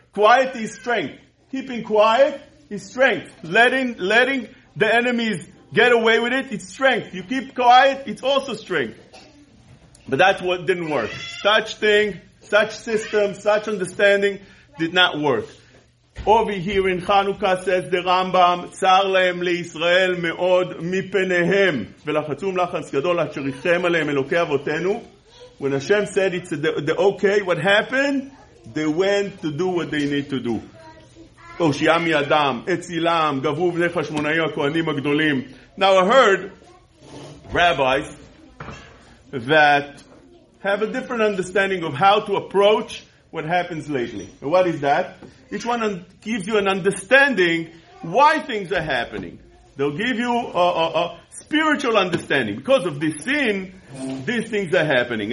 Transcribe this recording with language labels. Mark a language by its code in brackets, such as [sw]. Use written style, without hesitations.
[en] Quiet is strength. Keeping quiet is strength. Letting the enemies get away with it, it's strength. You keep quiet, it's also strength. But that's what didn't work. Such thing, such system, such understanding did not work. Over here in Hanukkah says the Rambam, [he] צר להם לישראל מאוד מפניהם, ולחצו מלחץ גדול עד שריחם עליהם אלוקי אבותינו. [en] When Hashem said it's the okay, what happened? They went to do what they need to do. [he] הושיעה מידם, אצילם, גברו בני חשמונאי הכהנים הגדולים. [en] Now I heard rabbis that have a different understanding of how to approach what happens lately. What is that? Each one gives you an understanding why things are happening. They'll give you a spiritual understanding. Because of this sin, these things are happening.